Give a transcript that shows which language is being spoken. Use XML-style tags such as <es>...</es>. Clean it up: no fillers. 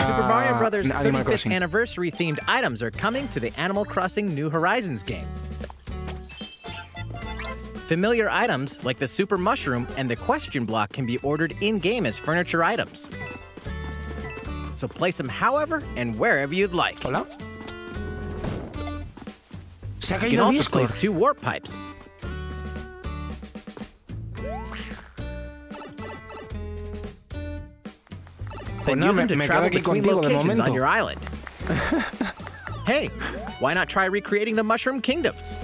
<en>Super Mario Brothers 35th anniversary themed items are coming to the Animal Crossing New Horizons game. Familiar items like the Super Mushroom and the Question Block can be ordered in-game as furniture items. So place them however and wherever you'd like.</en> <es>Hola. Se ha caído</es> <en>you can also place two warp pipes.</en> <es>Pues no, me quedo aquí contigo de momento.</es> <en>Hey, why not try recreating the Mushroom Kingdom?</en>